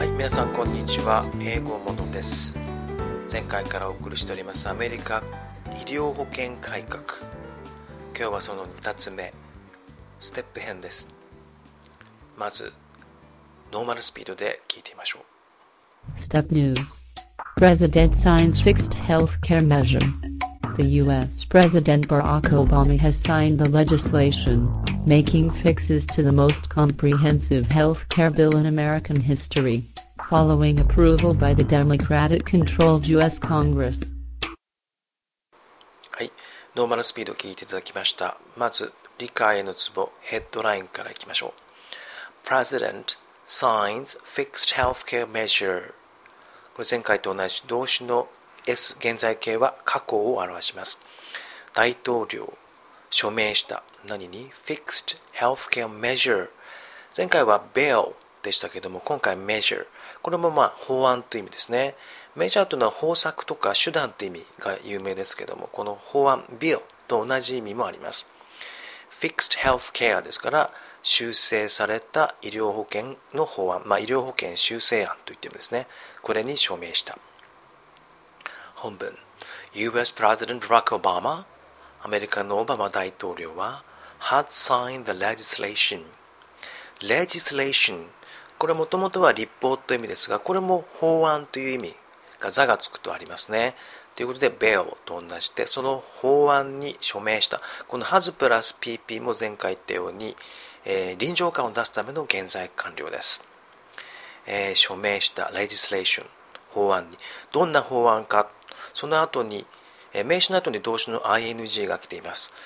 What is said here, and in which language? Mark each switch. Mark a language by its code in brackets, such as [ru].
[ja] さんこんにちは、英語モノです。前回からお送りしておりますアメリカ医療保険改革、今日はその2つ目、ステップ編です。まずノーマルスピードで聞いてみましょう。ステップニュース。 [en] President signs fixed health care measure. The U.S. President Barack Obama has signed the legislation, making fixes to the most comprehensive health care bill in American history, following approval by the Democratic-controlled U.S. Congress. [ja] はい、ノーマルスピード聞いていただきました。まず、理解のツボ、ヘッドラインからいきましょう。 [en] President signs fixed health care measure. [ja] これ前回と同じ動詞の S 現在形は過去を表します。大統領署名した何に Fixed Healthcare Measure、 前回は Bill でしたけども、今回 Measure、 これもまあ法案という意味ですね。 Measure というのは方策とか手段という意味が有名ですけども、この法案 Bill と同じ意味もあります。 Fixed Healthcare ですから修正された医療保険の法案、まあ、医療保険修正案といってもですね、これに署名した。本文、 US President Barack Obama、 アメリカのオバマ大統領は [en] had signed the legislation。 [ja] legislation、 これもともとは立法という意味ですが、これも法案という意味が座がつくとありますね。ということで bill と同じでその法案に署名した。この has プラス pp も前回言ったように臨場感を出すための現在完了です、署名した legislation 法案に、どんな法案か、その後に、名詞の後に動詞の ing が来ています。